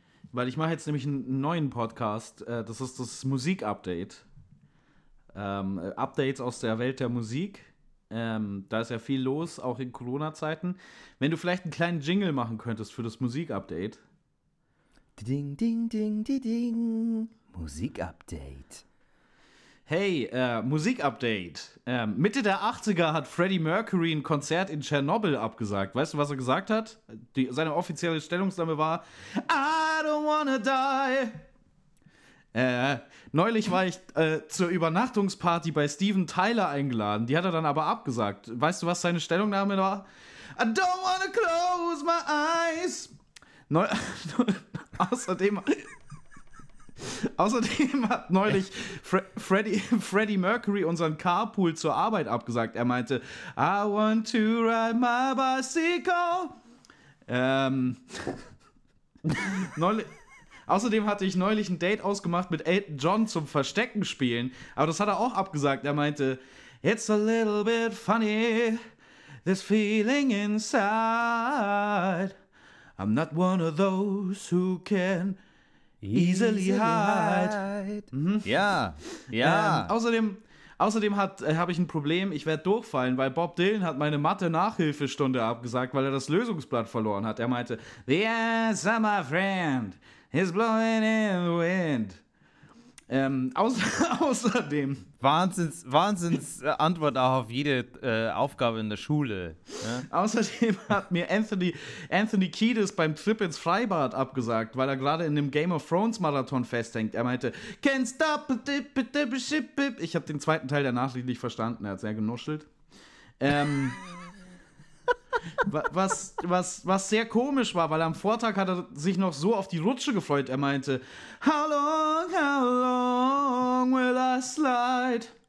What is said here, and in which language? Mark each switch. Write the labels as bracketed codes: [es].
[de] Weil ich mache jetzt nämlich einen neuen Podcast. Das ist das Musik-Update. Updates aus der Welt der Musik. Da ist ja viel los, auch in Corona-Zeiten. Wenn du vielleicht einen kleinen Jingle machen könntest für das Musik-Update. Ding, ding, ding, ding, ding. Musik-Update. Hey, Musik-Update. Mitte der 80er hat Freddie Mercury ein Konzert in Tschernobyl abgesagt. Weißt du, was er gesagt hat? Seine offizielle Stellungnahme war [en] I don't wanna die. [de] Neulich war ich zur Übernachtungsparty bei Steven Tyler eingeladen. Die hat er dann aber abgesagt. Weißt du, was seine Stellungnahme war? [en] I don't wanna close my eyes. [de] Außerdem hat neulich Freddie Mercury unseren Carpool zur Arbeit abgesagt. Er meinte, [en] I want to ride my bicycle. [de] Außerdem hatte ich neulich ein Date ausgemacht mit Elton John zum Verstecken spielen, aber das hat er auch abgesagt. Er meinte, [en] it's a little bit funny, this feeling inside. I'm not one of those who can easily hide. [de] Mhm. Ja, ja. Außerdem habe ich ein Problem, ich werde durchfallen, weil Bob Dylan hat meine Mathe-Nachhilfestunde abgesagt, weil er das Lösungsblatt verloren hat. Er meinte, [en] the answer, my friend. He's blowing in the wind. [de] Außerdem. Wahnsinns Antwort auch auf jede Aufgabe in der Schule. Ja? Außerdem hat mir Anthony Kiedis beim Trip ins Freibad abgesagt, weil er gerade in dem Game of Thrones Marathon festhängt. Er meinte, [en] can't stop dip, dip, dip, dip. [de] Ich habe den zweiten Teil der Nachricht nicht verstanden. Er hat sehr genuschelt. Was sehr komisch war, weil am Vortag hat er sich noch so auf die Rutsche gefreut. Er meinte, [en] how long will I slide?